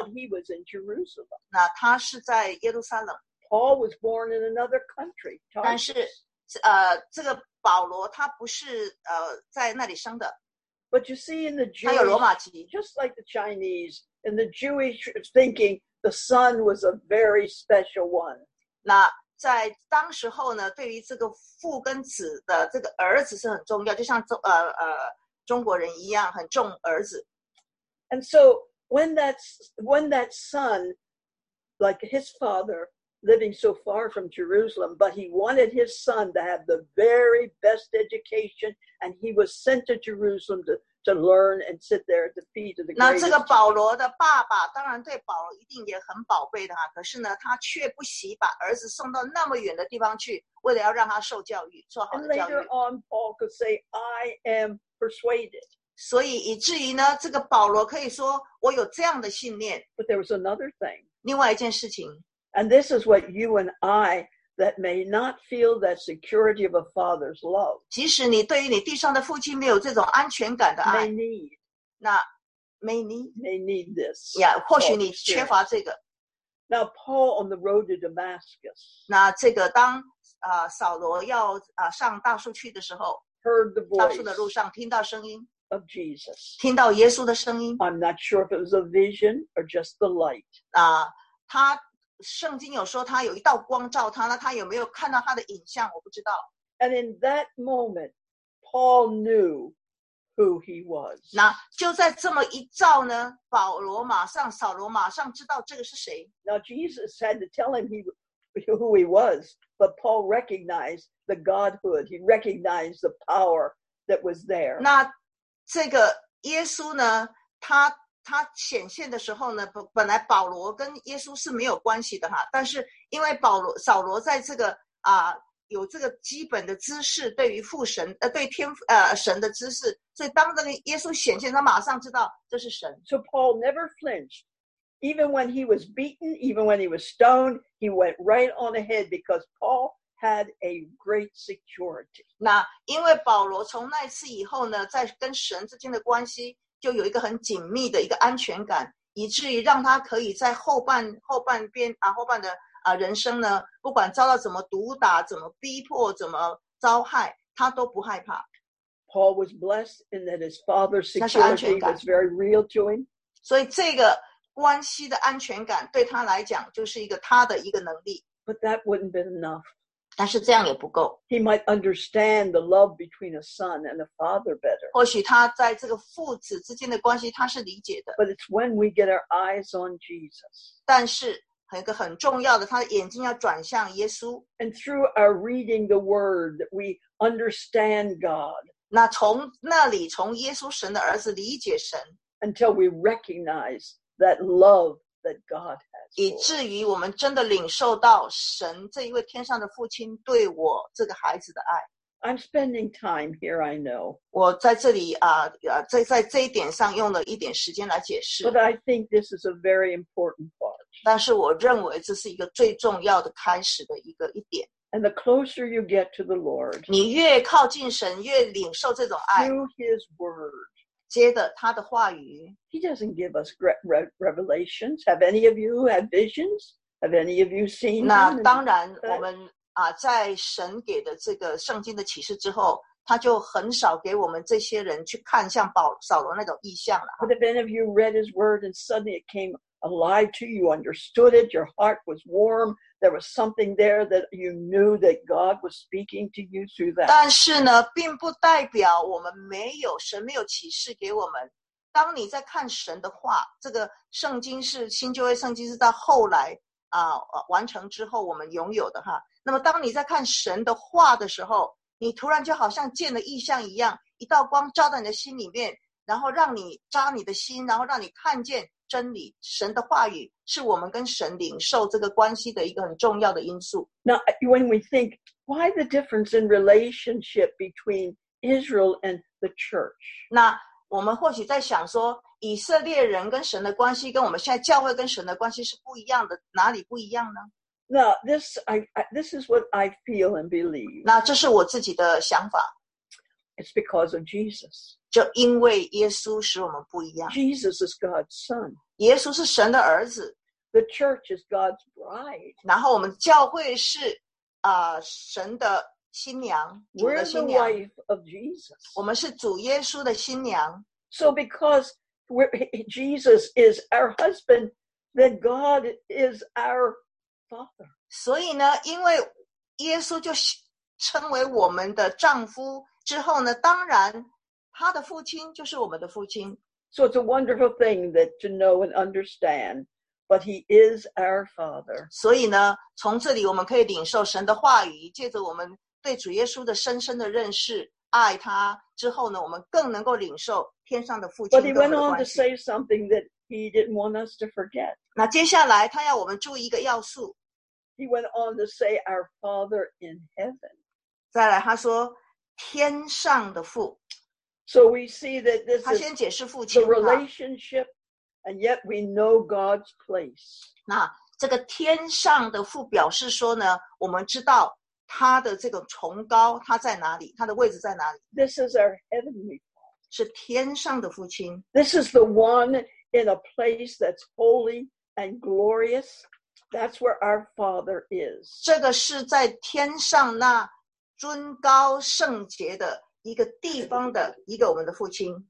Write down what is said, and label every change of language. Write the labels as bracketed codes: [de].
[en] But he was in Jerusalem. [zh] 那他是在耶路撒冷。 [en] Paul was born in another country. [zh] 但是这个保罗他不是在那里生的。 [en] But you see in the Jewish, [zh] 他有罗马籍。 [en] Just like the Chinese and the Jewish thinking, the son was a very special one. [zh] 那在当时候呢，对于这个父跟子的这个儿子是很重要，就像中国人一样很重儿子。 [en] And so when that son, like his father, living so far from Jerusalem, but he wanted his son to have the very best education, and he was sent to Jerusalem to learn and sit there at the feet of the greatest. [zh] 那这个保罗的爸爸当然对保罗一定也很宝贝的哈，可是呢，他却不惜把儿子送到那么远的地方去，为了要让他受教育，做好的教育。 [en] And later on, Paul could say, "I am persuaded." [zh] 所以以至于呢，这个保罗可以说我有这样的信念。 [en] But there was another thing. [zh] 另外一件事情。 [en] And this is what you and I. That may not feel that security of a father's love. [zh] 即使你对于你地上的父亲没有这种安全感的爱 [en] ，may need 那 may need this. [zh] Yeah, 或许你缺乏这个。 [en] Now Paul on the road to Damascus. [zh] 那这个当扫罗要上大树去的时候 [en] ，heard the voice [zh] 大树的路上听到声音 [en] of Jesus. [zh] 听到耶稣的声音。 [en] I'm not sure if it was a vision or just the light. [zh] 他。圣经有说他有一道光照他，那他有没有看到他的影像？我不知道。 [en] And in that moment, Paul knew who he was. [zh] 那就在这么一照呢，保罗马上，扫罗马上知道这个是谁。 [en] Now Jesus had to tell him who he was, but Paul recognized the Godhood. He recognized the power that was there. [zh] 那这个耶稣呢，他显现的时候呢，本来保罗跟耶稣是没有关系的哈，但是因为扫罗在这个有这个基本的知识，对于父神对天神的知识，所以当这个耶稣显现，他马上知道这是神。 [en] So Paul never flinched, even when he was beaten, even when he was stoned, he went right on ahead because Paul had a great security. [zh] 那因为保罗从那次以后呢，在跟神之间的关系。就有一个很紧密的一个安全感，以至于让他可以在后半的人生呢，不管遭到怎么毒打、怎么逼迫、怎么遭害，他都不害怕。 [en] Paul was blessed in that his father's security was very real to him. [zh] 所以这个关系的安全感对他来讲就是一个他的一个能力。 [en] But that wouldn't be enough. [zh] 但是这样也不够。 [en] He might understand the love between a son and a father better. [zh] 或许他在这个父子之间的关系他是理解的。 [en] But it's when we get our eyes on Jesus. [zh] 但是一个很重要的，他的眼睛要转向耶稣。 [en] And through our reading the word, we understand God. [zh] 那从那里，从耶稣神的儿子理解神。 [en] Until we recognize that love. That God has for. [zh] 以至于我们真的领受到神这一位天上的父亲对我这个孩子的爱。 [en] I'm spending time here, I know. [zh] 我在这里在这一点上用了一点时间来解释。 [en] But I think this is a very important part. [zh] 但是我认为这是一个最重要的开始的一点。 [en] And the closer you get to the Lord, [zh] 你越靠近神，越领受这种爱。 [en] Through His Word. [zh] 接着他的话语 [en] He doesn't give us revelations. Have any of you had visions? Have any of you seen? [zh] 那当然，我们在神给的这个圣经的启示之后，他就很少给我们这些人去看像扫罗那种异象了。 [en] But if any of you read his word and suddenly it came alive to you, understood it, your heart was warm, there was something there that you knew that God was speaking to you through that. [zh] 但是呢，并不代表我们没有神没有启示给我们。当你在看神的话，这个圣经是新旧约圣经是到后来完成之后我们拥有的哈。那么当你在看神的话的时候，你突然就好像见了异象一样，一道光照到你的心里面，然后让你扎你的心，然后让你看见真理。神的话语是我们跟神领受这个关系的一个很重要的因素。 [en] Now, when we think, why the difference in relationship between Israel and the church? [zh] 那我们或许在想说，以色列人跟神的关系跟我们现在教会跟神的关系是不一样的，哪里不一样呢？ [en] Now, this is what I feel and believe. [zh] 那这是我自己的想法。 [en] It's because of Jesus. [zh] 就因为耶稣使我们不一样。 [en] Jesus is God's son. [zh] 耶稣是神的儿子。 [en] The church is God's bride. [zh] 然后我们教会是神的新娘。 [en] We're the wife of Jesus. [zh] 我们是主耶稣的新娘。 [en] So because Jesus is our husband, then God is our father. [zh] 所以呢，因为耶稣就称为我们的丈夫。之后呢，当然他的父亲就是我们的父亲。 [en] So it's a wonderful thing that to know and understand, but he is our father. [zh] 所以呢，从这里我们可以领受神的话语，借着我们对主耶稣的深深的认识，爱他之后呢，我们更能够领受天上的父亲。 [en] But he went on to say something that he didn't want us to forget. [zh] 那接下来他要我们注意一个要素。 [en] He went on to say our father in heaven. [zh] 再来他说天上的父 [en] ，So we see that this is the relationship, and yet we know God's place. [zh] 那这个天上的父表示说呢，我们知道他的这个崇高，他在哪里，他的位置在哪里。 [en] This is our heavenly Father. [zh] 是天上的父亲。 [en] This is the one in a place that's holy and glorious. That's where our Father is. [zh] 这个是在天上那。尊高圣洁的一个地方的一个我们的父亲。